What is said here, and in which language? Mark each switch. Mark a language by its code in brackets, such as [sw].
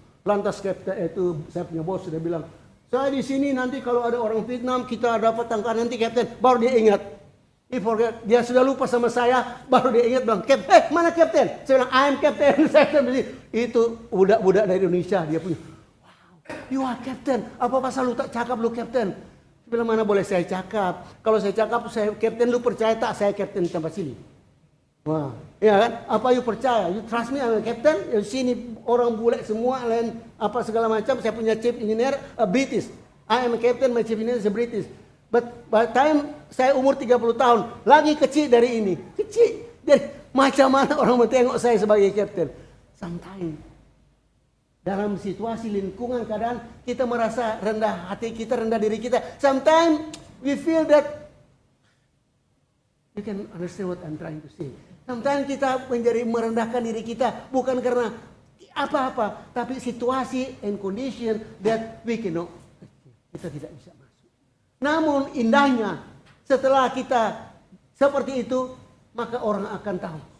[ms] Lantas captain itu, saya punya bos sudah bilang, saya di sini nanti kalau ada orang Vietnam kita dapat tangkap nanti captain. Baru dia ingat. [en] He forget. [ms] Dia sudah lupa sama saya. Baru dia ingat bilang, mana captain? Saya bilang, [en] I am captain. [ms] Itu budak-budak dari Indonesia. Dia punya, [en] wow, you are captain. [ms] Apa pasal lu tak cakap lu captain? Saya bilang, mana boleh saya cakap. Kalau saya cakap, saya captain, lu percaya tak saya captain di tempat sini? Wah, ya kan? Apa you percaya? [en] You trust me, I'm a captain. You see [ms] ini orang bule semua, lain apa segala macam. Saya punya [en] chief engineer, a British. I am a captain, my chief engineer is a British. But by time [ms] saya umur 30 tahun, lagi kecil dari ini. Kecil. Jadi macam mana orang menengok saya sebagai captain? Sometimes. Dalam situasi lingkungan keadaan, kita merasa rendah hati kita, rendah diri kita. [en] Sometimes we feel that. You can understand what I'm trying to say. [ms] Sometimes kita menjadi merendahkan diri kita bukan karena apa-apa, tapi situasi [en] and condition that we cannot, [ms] kita tidak bisa masuk. Namun indahnya setelah kita seperti itu, maka orang akan tahu.